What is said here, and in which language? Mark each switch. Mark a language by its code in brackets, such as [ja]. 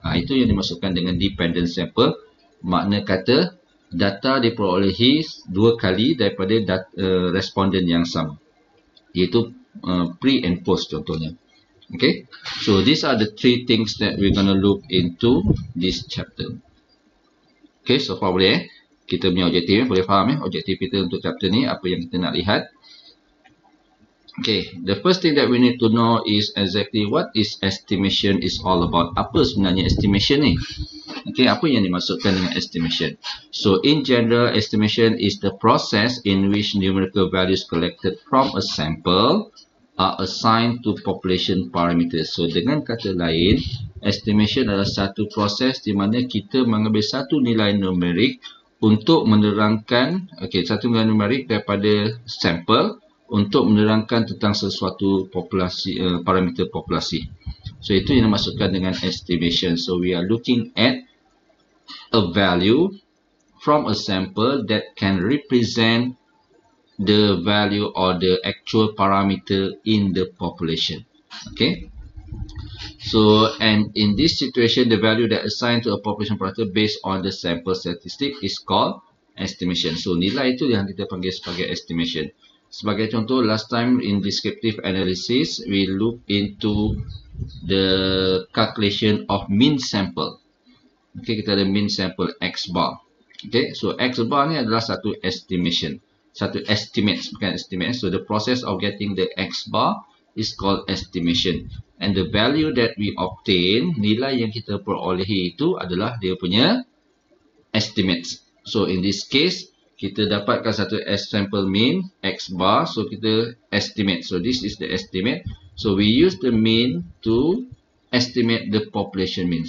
[ms] Ha, itu yang dimasukkan dengan dependent sample. Makna kata data diperolehi dua kali daripada responden yang sama, iaitu [en] pre and post [ms] contohnya. [en] Okay, so these are the three things that we're going to look into this chapter. [ms] Okay, so far boleh kita punya objektif, boleh faham objektif kita untuk chapter ni, apa yang kita nak lihat. [en] Okay, the first thing that we need to know is exactly what is estimation is all about. [ms] Apa sebenarnya estimation ni? Okay, apa yang dimaksudkan dengan estimation? [en] So, in general, estimation is the process in which numerical values collected from a sample are assigned to population parameters. [ms] So, dengan kata lain, estimation adalah satu proses di mana kita mengambil satu nilai numerik untuk menerangkan, satu nilai numerik daripada sample untuk menerangkan tentang sesuatu populasi, parameter populasi. So, itu yang dimaksudkan dengan estimation. [en] So, we are looking at a value from a sample that can represent the value or the actual parameter in the population. Okay? So, and in this situation, the value that assigned to a population parameter based on the sample statistic is called estimation. [ms] So, nilai itu yang kita panggil sebagai estimation. Sebagai contoh, [en] last time in descriptive analysis, we look into the calculation of mean sample. [ms] Okay, kita ada mean sample X bar. Okay, so X bar ni adalah satu estimation. Satu estimate, bukan estimate. [en] So, the process of getting the X bar is called estimation. And the value that we obtain, [ms] nilai yang kita perolehi itu adalah dia punya estimates. [en] So, in this case, [ms] kita dapatkan satu sample mean X bar. [en] So, kita estimate. So, this is the estimate. So, we use the mean to estimate the population mean.